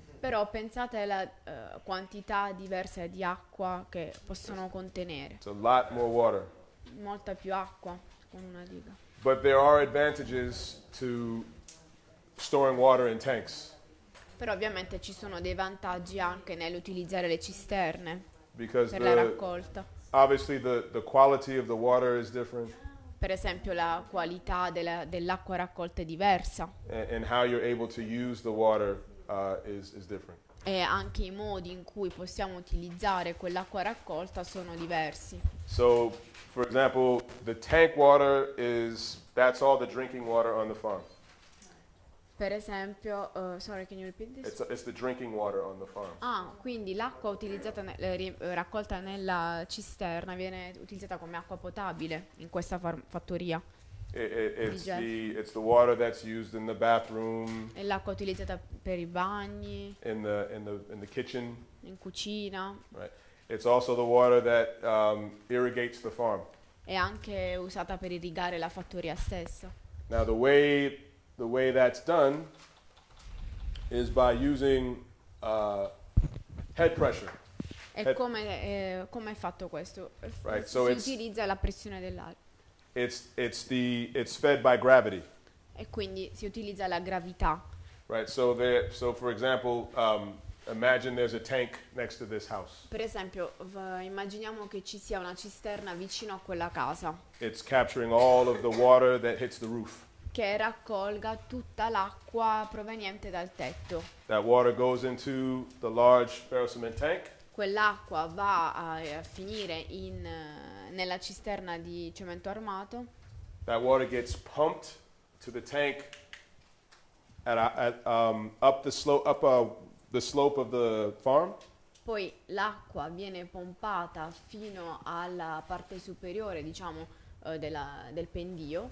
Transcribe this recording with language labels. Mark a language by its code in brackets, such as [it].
[it] Però pensate alla quantità diversa di acqua che possono contenere. [en] It's a lot more water. [it] Molta più acqua con una diga. [en] But there are advantages to storing water in tanks. [it] Però ovviamente ci sono dei vantaggi anche nell'utilizzare le cisterne. [en] Because [it] per [en] the [it] la raccolta. [en] Obviously the quality of the water is different. [it] Per esempio la qualità dell'acqua raccolta è diversa. [en] And how you're able to use the water is different. [it] E anche i modi in cui possiamo utilizzare quell'acqua raccolta sono diversi. [en] So for example, the tank water that's all the drinking water on the farm. [it] Per esempio, [en] sorry, can you repeat this? It's the drinking water on the farm. [it] Ah, quindi l'acqua utilizzata raccolta nella cisterna viene utilizzata come acqua potabile in questa fattoria. [en] It's the water that's used in the bathroom. [it] È l'acqua utilizzata per i bagni. [en] In the kitchen. [it] In cucina. [en] Right. It's also the water that irrigates the farm. [it] È anche usata per irrigare la fattoria stessa. [en] Now the way The way that's done is by using head pressure. [it] E head come come è fatto questo? [en] Right, [it] si utilizza la pressione dell'aria. [en] It's fed by gravity. [it] E quindi si utilizza la gravità. [en] Right, so for example, imagine there's a tank next to this house. [it] Per esempio, immaginiamo che ci sia una cisterna vicino a quella casa. [en] It's capturing all of the water that hits the roof. [it] Che raccolga tutta l'acqua proveniente dal tetto. [en] That water goes into the large ferrocement tank. [it] Quell'acqua va a finire nella cisterna di cemento armato. [en] That water gets pumped to the tank up the slope of the farm. [it] Poi l'acqua viene pompata fino alla parte superiore, diciamo, del pendio.